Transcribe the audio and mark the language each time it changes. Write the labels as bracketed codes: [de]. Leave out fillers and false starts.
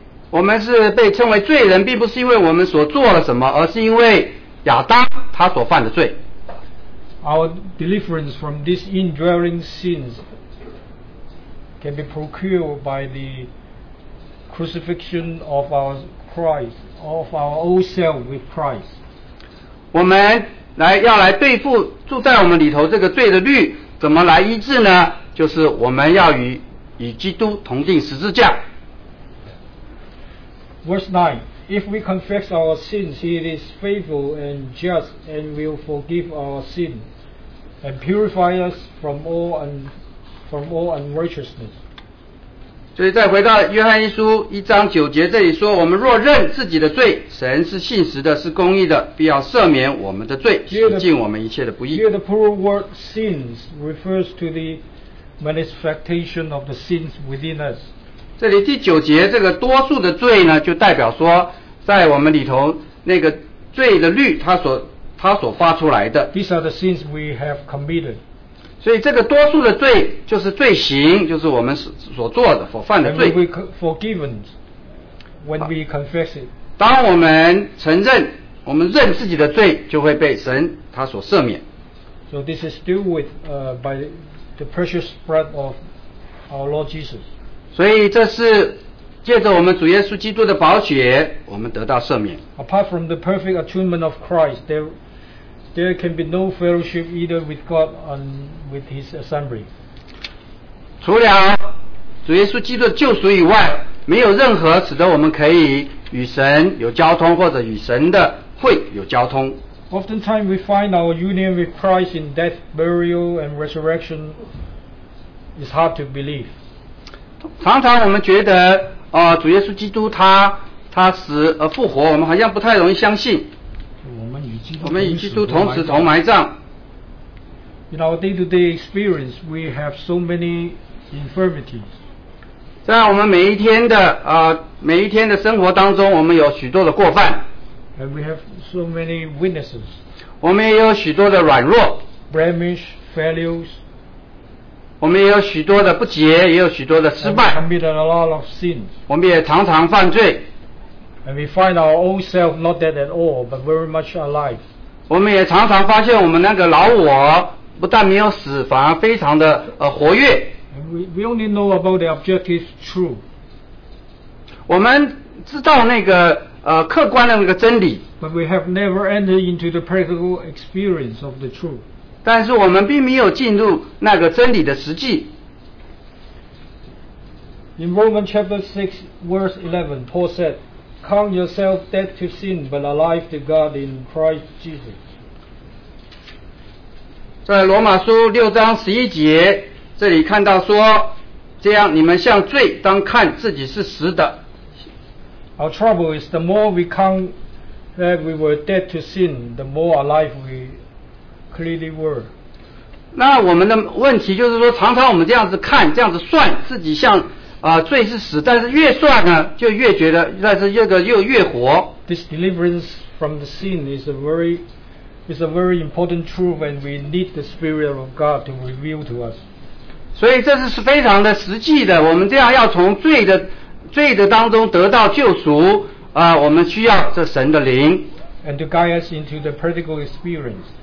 [zh] 我们是被称为罪人并不是因为我们所做了什么而是因为亚当他所犯的罪 [en] Our deliverance from these indwelling sins can be procured by the crucifixion of our Christ of our old self with Christ [zh] 我们来要来对付住在我们里头这个罪的律怎么来医治呢就是我们要与基督同钉十字架 [en] Verse 9If we confess our sins, He is faithful and just and will forgive our sin and purify us from all unrighteousness. [zh] 所以再回到约翰一书一章九节这里说，我们若认自己的罪，神是信实的，是公义的，必要赦免我们的罪，洗净我们一切的不义。 [en] Here the plural word sins refers to the manifestation of the sins within us. [zh] 这里第九节这个多数的罪呢，就代表说在我们里头那个罪的律它所发出来的。 [en] These are the sins we have committed. [zh] 所以这个多数的罪就是罪行，就是我们所做的所犯的罪。 [en] When we forgiven, when we confess it. [zh] 当我们承认，我们认自己的罪，就会被神他所赦免。 [en] So this is still with, by the precious blood of our Lord Jesus. [zh] 所以这是借着我们主耶稣基督的宝血，我们得到赦免。 [en] Apart from the perfect atonement of Christ, there can be no fellowship either with God and with His assembly. [zh] 除了主耶稣基督的救赎以外，没有任何使得我们可以与神有交通，或者与神的会有交通。 [en] Oftentimes we find our union with Christ in death, burial, and resurrection is hard to believe. [zh] 常常我们觉得，主耶稣基督他死而复活，我们好像不太容易相信。我们与基督同时同埋葬。 [en] In our day-to-day experience, we have so many infirmities. [zh] 在我们每一天的每一天的生活当中，我们有许多的过犯。 [en] And we have so many weaknesses. [zh] 我们也有许多的软弱。 [en] Blemish, failures. [zh] 我们也有许多的不洁，也有许多的失败。 [en] And we committed a lot of sins. [zh] 我们也常常犯罪。 [en] And we find our old self not dead at all, but very much alive. [zh] 我们也常常发现我们那个老我不但没有死，反而非常的活跃。 [en] We only know about the objective truth. [zh] 我们知道那个客观的那个真理。 [en] But we have never entered into the practical experience of the truth. [zh] 但是我们并没有进入那个真理的实际。 [en] In Romans chapter 6, verse 11, Paul said,Count yourself dead to sin, but alive to God in Christ Jesus. [zh] 在罗马书六章十一节，这里看到说，这样你们向罪当看自己是死的。 [en] Our trouble is the more we count that we were dead to sin, the more alive we clearly were. [zh] 那我们的问题就是说，常常我们这样子看，这样子算自己像。罪是死，但是越算呢，就越觉得，但是这个又越活。 [en] This deliverance from the sin is a very important truth, and we need the Spirit of God to reveal to us. [zh] 所以这是非常的实际的。我们这样要从罪的当中得到救赎，我们需要这神的灵。 [en] And to guide us into the practical experience.